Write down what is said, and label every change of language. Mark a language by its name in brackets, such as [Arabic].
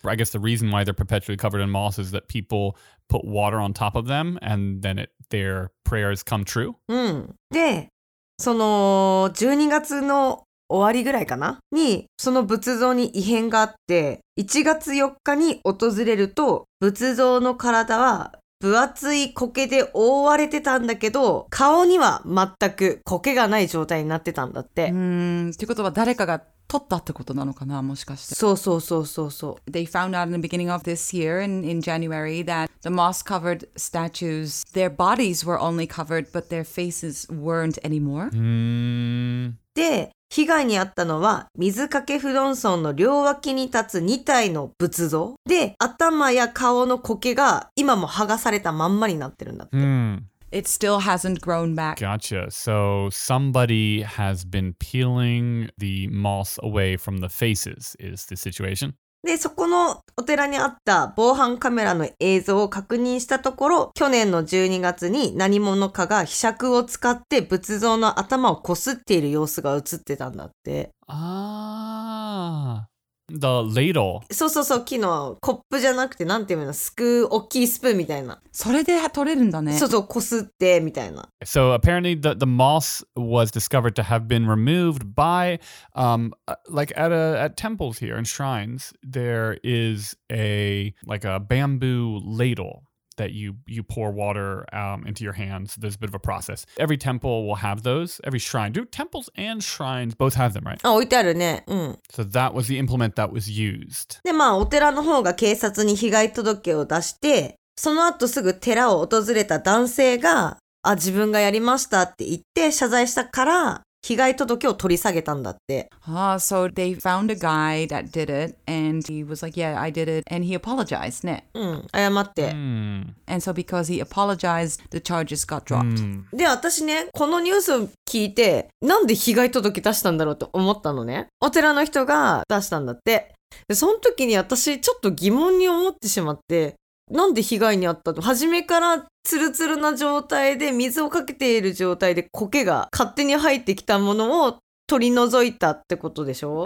[English] I guess the reason why they're perpetually covered in moss is that people put water on top of them and then their prayers come true. Mm. [Japanese] で、その12月の終わりぐらいかなにその仏像に異変があって1月4日に訪れると仏像の体は分厚い苔で覆われてたんだけど顔には全く苔がない状態になってたんだってってことは誰かが撮ったってことなのかなもしかしてそうそうそうそうそう [English] They found out in the beginning of this year in January that the moss covered statues their bodies were only covered but their faces weren't anymore [Japanese] で被害に遭ったのは水かけ不動尊の両脇に立つ2体の仏像で頭や顔の苔が今も剥がされたまんまになってるんだって、 mm. [English] It still hasn't grown back Gotcha, so somebody has been peeling the moss away from the faces is the situation [Japanese] で、そこのお寺にあった防犯カメラの映像を確認したところ、去年の12月に何者かが柄杓を使って仏像の頭をこすっている様子が映ってたんだって。 [English] ああ。The ladle. [Japanese] そうそうそう、木のコップじゃなくて、なんていうの、すくう大きいスプーンみたいな。それで取れるんだね。そうそう、こすってみたいな。 [English] So apparently the moss was discovered to have been removed by, like at temples here and shrines, there is a, like a bamboo ladle. That you pour water into your hands. There's a bit of a process. Every temple will have those. Every shrine. Do temples and shrines both have them, right? [Japanese] あ、置いてあるね。うん。 [English] So that was the implement that was used. [Japanese] で、まあ、お寺の方が警察に被害届を出して、その後すぐ寺を訪れた男性が、あ、自分がやりましたって言って謝罪したから、被害届を取り下げたんだって。 [English] Ah, so they found a guy that did it, and he was like, yeah, I did it, and he apologized, ね。 [Japanese] うん、謝って。 [English] And so because he apologized, the charges got dropped. [Japanese] で、私ね、このニュースを聞いて、なんで被害届出したんだろうと思ったのね。お寺の人が出したんだって。で、その時に私、ちょっと疑問に思ってしまって、なんで被害に遭ったの?初めからツルツルな状態で水をかけている状態で苔が勝手に入ってきたものを取り除いたってことでしょ?